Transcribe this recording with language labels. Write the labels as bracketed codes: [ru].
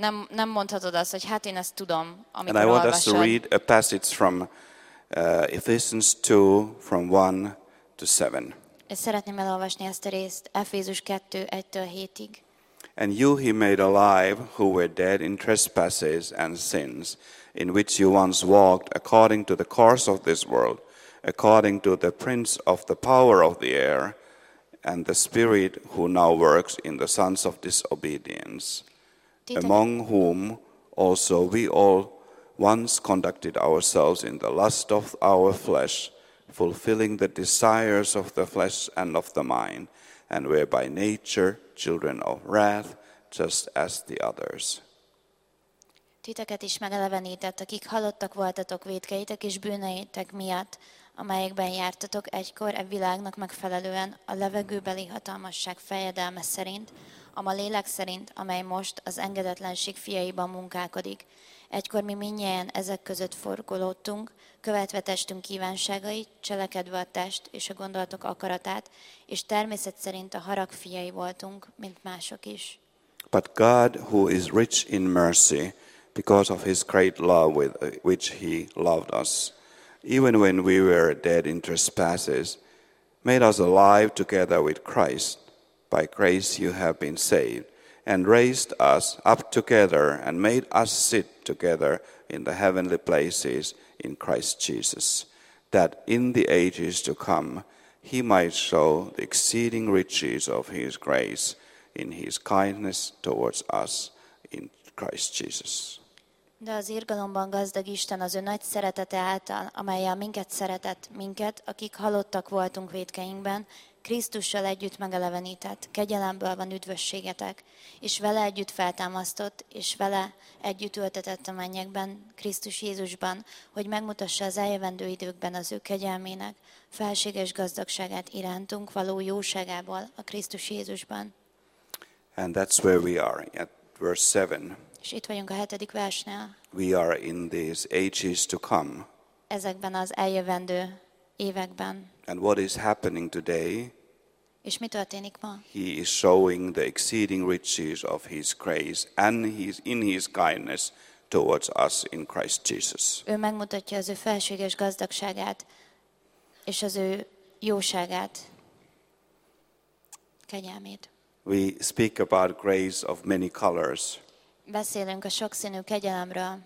[hu] Nem mondhatod azt, hogy hát én ezt tudom, amikor olvasod. [en] And I want us to read a passage from Ephesians 2, from 1 to 7. [hu] És szeretném elolvasni ezt a részt, Efézus 2, 1-től 7-ig. [en] And you he made alive, who were dead in trespasses and sins, in which you once walked according to the course of this world, according to the prince of the power of the air, and the spirit who now works in the sons of disobedience. Among whom also we all once conducted ourselves in the lust of our flesh, fulfilling the desires of the flesh and of the mind, and were by nature children of wrath, just as the others. [hu] Titeket is megelevenített, akik halottak voltatok vétkeitek és bűneitek miatt, amelyekben jártatok egykor e világnak megfelelően a levegőbeli hatalmasság fejedelme szerint, ama lélek szerint, amely most az engedetlenség fiaiban munkálkodik. Egykor mi mindnyájan ezek között forgolódtunk, követve testünk kívánságait, cselekedve a test és a gondolatok akaratát, és természet szerint a harag fiai voltunk, mint mások is. [en] But God, who is rich in mercy, because of his great love with which he loved us, even when we were dead in trespasses, made us alive together with Christ. By grace you have been saved, and raised us up together, and made us sit together in the heavenly places in Christ Jesus, that in the ages to come he might show the exceeding riches of his grace in his kindness towards us in Christ Jesus. [hu] De az irgalomban gazdag Isten az ő nagy szeretete által, amellyel minket szeretett, minket, akik halottak voltunk vétkeinkben, Krisztussal együtt megelevenített, kegyelemből van üdvösségetek, és vele együtt feltámasztott, és vele együtt ültetett a mennyekben, Krisztus Jézusban, hogy megmutassa az eljövendő időkben az ő kegyelmének felséges gazdagságát irántunk való jóságából a Krisztus Jézusban. [en] And that's where we are, at verse 7. [hu] És itt vagyunk a hetedik versnél. [en] We are in these ages to come. [hu] Ezekben az eljövendő években. [en] And what is happening today? [hu] És mi történik ma? [en] He is showing the exceeding riches of his grace and his in his kindness towards us in Christ Jesus. [hu] Ő megmutatja az ő felséges gazdagságát és az ő jóságát, kegyelmét. [en] We speak about grace of many colors. [hu] Beszélünk a sokszínű kegyelemről.